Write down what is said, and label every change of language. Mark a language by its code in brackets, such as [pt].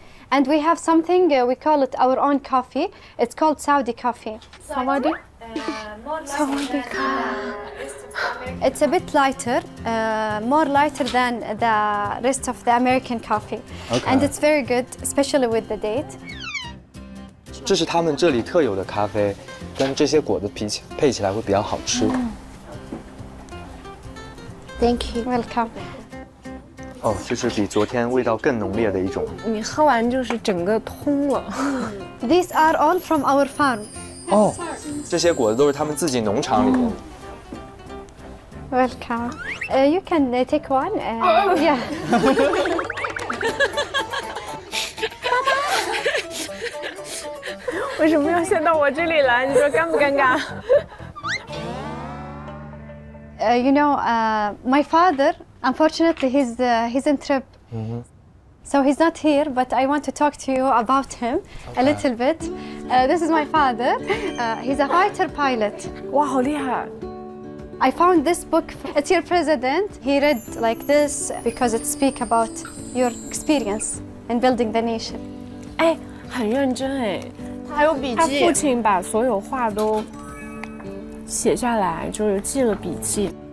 [en] And we have something, we call it our own coffee. It's called Saudi coffee. Saudi? Saudi coffee. It's a bit lighter, more lighter than the rest of the American coffee. Okay. And it's very good, especially with the date. [zh] 这是他们这里特有的咖啡，跟这些果子配起来会比较好吃。 [en] Thank you. Welcome. [zh] 哦，就是比昨天味道更浓烈的一种。你喝完就是整个通了。 [en] These are all from our farm. [zh] 哦，这些果子都是他们自己农场里的。 [en] Welcome. You can take one. Yeah. [zh] 为什么要先到我这里来？你说尴不尴尬？ [en] You know, my father, unfortunately, he's in trip. Mm-hmm. So he's not here, but I want to talk to you about him a little bit. This is my father. He's a fighter pilot. [zh] 哇，好厉害！ [en] I found this book. It's your president. He read like this because it speaks about your experience in building the nation. [zh] 哎，很认真哎，还有笔记。他父亲把所有话都写下来，就是记了笔记。